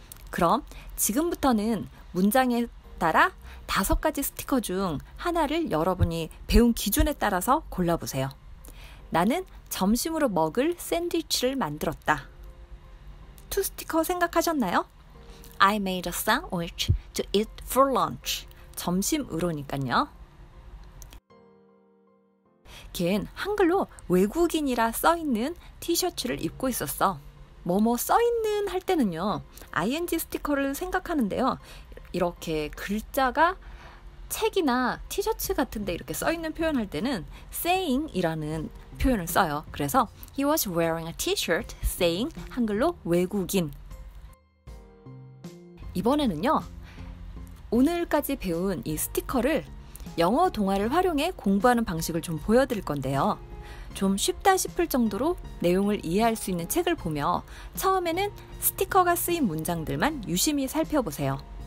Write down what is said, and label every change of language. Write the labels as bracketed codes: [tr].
[ko] 그럼 지금부터는 문장에 따라 다섯 가지 스티커 중 하나를 여러분이 배운 기준에 따라서 골라보세요. 나는 점심으로 먹을 샌드위치를 만들었다. 투 스티커 생각하셨나요? [en] I made a sandwich to eat for lunch. [ko] 점심으로니까요. 걘 한글로 외국인이라 써있는 티셔츠를 입고 있었어. 뭐뭐 써있는 할 때는요. ing 스티커를 생각하는데요. 이렇게 글자가 책이나 티셔츠 같은데 이렇게 써있는 표현할 때는 saying이라는 표현을 써요. 그래서 [en] He was wearing a t-shirt saying [ko] 한글로 외국인. 이번에는요. 오늘까지 배운 이 스티커를 영어 동화를 활용해 공부하는 방식을 좀 보여드릴 건데요. 좀 쉽다 싶을 정도로 내용을 이해할 수 있는 책을 보며 처음에는 스티커가 쓰인 문장들만 유심히 살펴보세요.